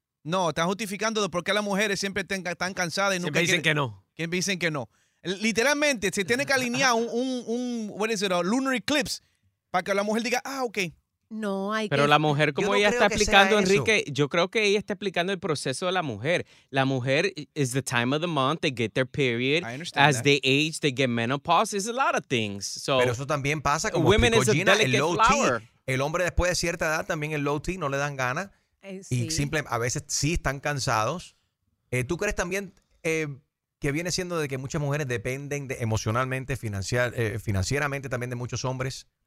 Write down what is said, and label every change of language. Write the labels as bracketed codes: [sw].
[es] No, estás justificando de por qué las mujeres siempre están cansadas y nunca siempre dicen que no. ¿Quién dicen que no? Literalmente, se tiene que alinear un [en] what is it, a lunar eclipse [es] para que la mujer diga, ok. No, hay pero que... la mujer, como no ella está explicando, Enrique, yo creo que ella está explicando el proceso de la mujer. La mujer [en] is the time of the month, they get their period. As that. They age, they get menopause. It's a lot of things. So, [es] pero eso también pasa como [en] women is a delicate flower. [es] El low T. El hombre después de cierta edad también el low T no le dan ganas. Y simple, a veces sí están cansados. ¿Tú crees también que viene siendo de que muchas mujeres dependen de emocionalmente, financieramente también de muchos hombres.